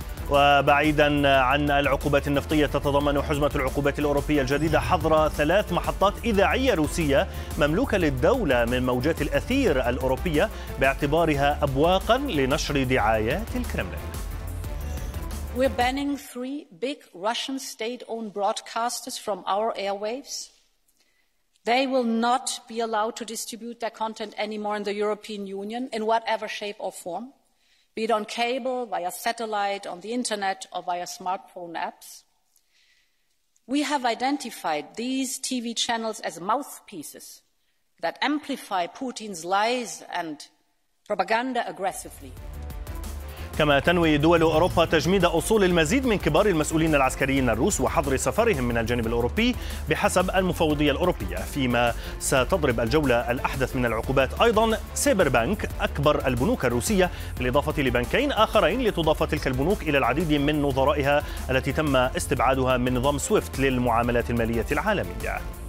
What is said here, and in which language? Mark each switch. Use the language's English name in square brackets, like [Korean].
[Arabic] وبعيدا عن العقوبات النفطية، تتضمن حزمة العقوبات الأوروبية الجديدة حظر ثلاث محطات إذاعية روسية مملوكة للدولة من موجات الأثير الأوروبية باعتبارها أبواقا لنشر دعايات الكرملين. [English] We're banning three big Russian state-owned broadcasters from our airwaves. They will not be allowed to distribute their content anymore in the European Union in whatever shape or form. Be it on cable, via satellite, on the internet, or via smartphone apps. We have identified these TV channels as mouthpieces that amplify Putin's lies and propaganda aggressively. [Arabic] كما تنوي دول أوروبا تجميد أصول المزيد من كبار المسؤولين العسكريين الروس وحظر سفرهم من الجانب الأوروبي بحسب المفوضية الأوروبية، فيما ستضرب الجولة الأحدث من العقوبات أيضا سيبر بانك أكبر البنوك الروسية بالإضافة لبنكين آخرين، لتضاف تلك البنوك إلى العديد من نظرائها التي تم استبعادها من نظام سويفت للمعاملات المالية العالمية.